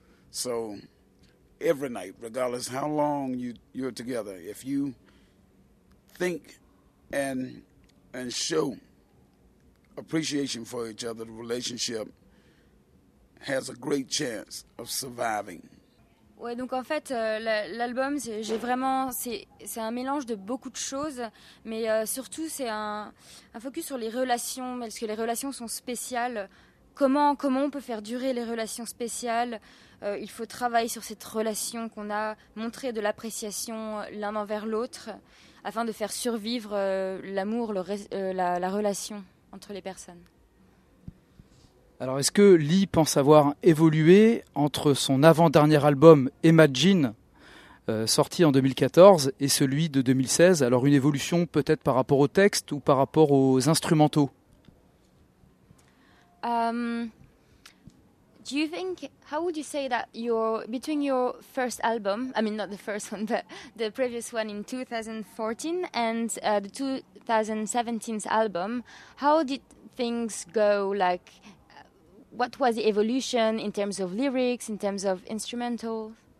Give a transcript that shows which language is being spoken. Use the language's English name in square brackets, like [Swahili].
[English] So every night, regardless how long you're together, if you think and show appreciation for each other, the relationship has a great chance of surviving. [French] Ouais, donc en fait, l'album, c'est un mélange de beaucoup de choses, mais surtout, c'est un focus sur les relations, parce que les relations sont spéciales. Comment on peut faire durer les relations spéciales? Il faut travailler sur cette relation qu'on a, montrer de l'appréciation l'un envers l'autre, afin de faire survivre l'amour, la relation entre les personnes. Alors, est-ce que Lee pense avoir évolué entre son avant-dernier album Imagine, sorti en 2014, et celui de 2016? Alors, une évolution peut-être par rapport au texte ou par rapport aux instrumentaux? [English] Do you think, how would you say that your, between your first album, I mean not the first one, but the previous one in 2014 and the 2017's album, how did things go, like, what was the evolution in terms of lyrics, in terms of instrumental?